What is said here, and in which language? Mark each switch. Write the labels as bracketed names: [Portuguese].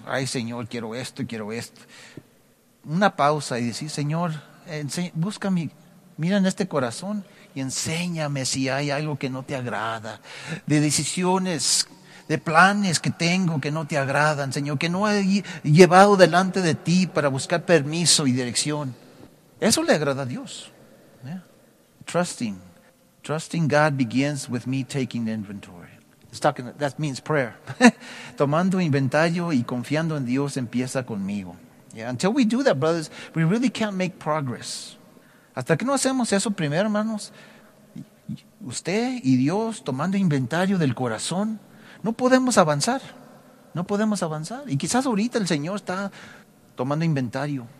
[Spanish] Ay, Señor, quiero esto, quiero esto. Una pausa y decir, Señor, búscame, mira en este corazón y enséñame si hay algo que no te agrada, de decisiones, de planes que tengo que no te agradan, Señor, que no he llevado delante de ti para buscar permiso y dirección. Eso le agrada a Dios. [English] Yeah. Trusting. Trusting God begins with me taking inventory. That means prayer. [Spanish] Tomando inventario y confiando en Dios empieza conmigo. Yeah. [English] Until we do that, brothers, we really can't make progress. [Spanish] Hasta que no hacemos eso primero, hermanos, usted y Dios tomando inventario del corazón, no podemos avanzar. No podemos avanzar. Y quizás ahorita el Señor está tomando inventario.